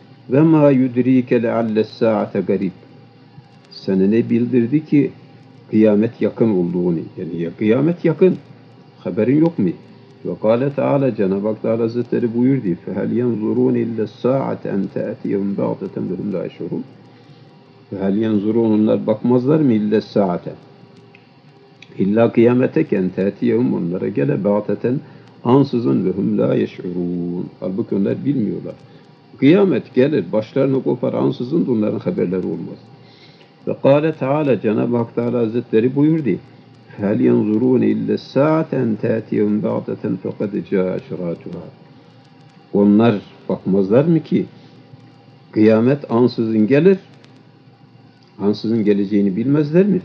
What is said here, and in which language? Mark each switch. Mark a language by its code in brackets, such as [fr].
[ar] Ve mâ yudrike le'allessâ'ate garib. [tr] Sana ne bildirdi ki kıyamet yakın olduğunu? Yani ya kıyamet yakın, haberin yok mu? Ve kâle Teâlâ, Cenab-ı Hak Teâlâ Hazretleri buyurdu. [ar] فَهَلْ يَنْظُرُونَ اِلَّا السَّاعَةَ اَنْ تَأْتِيَهُمْ بَعْضَةً وَهُمْ لَا يَشْعُرُونَ. فَهَلْ يَنْظُرُونَ, [tr] onlar bakmazlar mı? [ar] اِلَّا السَّاعَةَ, [tr] İlla kıyamete ki, [ar] اَنْ تَأْتِيَهُمْ, [tr] onlara gele, [ar] بَعْضَةً, [tr] ansızın, [ar] وَهُمْ لَا يَشْعُرُونَ. [tr] Halbuki onlar bilmiyorlar. Kıyamet gelir, başlarını kopar, ansızın da onların haberleri olmaz. Ve kâle Teâlâ, Cenab-ı Hak Teâlâ Hazretleri buyurdu. [ar] فَهَلْ يَنْظُرُونَ اِلَّا السَّاعَةَ اَنْ تَاتِيَهُمْ بَعْدَةً فَقَدْ جَاءَ اَشْرَاتُهَا. [tr] Onlar bakmazlar mı ki kıyamet ansızın gelir, ansızın geleceğini bilmezler mi?